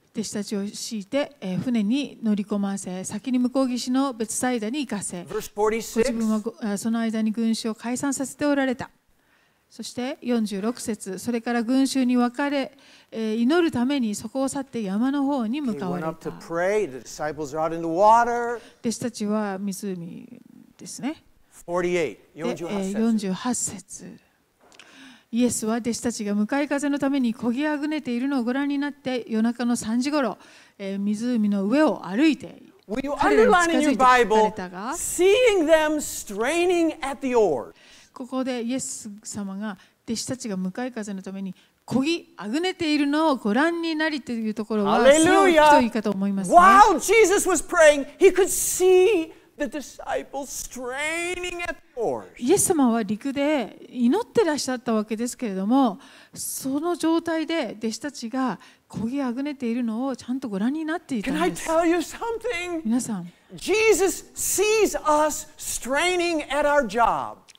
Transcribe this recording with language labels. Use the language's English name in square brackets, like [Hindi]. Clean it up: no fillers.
[Japanese] 弟子たちを敷いて船に乗り込ませ先に向こう岸のベツサイダに行かせ 46 自分はその間に群衆を解散させておられた。そして46節それから群衆に分かれ祈るためにそこを去って山の方に向かわれた。 [English] pray, the disciples are out in the water. [Japanese] 弟子たちは湖ですね。 48 節イエスは弟子たちが向かい風のためにこぎあぐねているのをご覧になって夜中の3時ごろ、湖の上を歩いて彼らに近づいて聞かれたが [English] Seeing them straining at the oars. [Japanese] ここでイエス様が弟子たちが向かい風のためにこぎあぐねているのをご覧になりというところはすごくいいかと思いますね。 [English] While Jesus was praying, he could seeThe disciples straining at the oars. [Japanese] イエス様は陸で祈ってらっしゃったわけですけれどもその状態で弟子たちが漕ぎあぐねているのをちゃんとご覧になっていたんです。 [English] Can I tell you something? [Japanese] 皆さん [English] Jesus sees us straining at our job.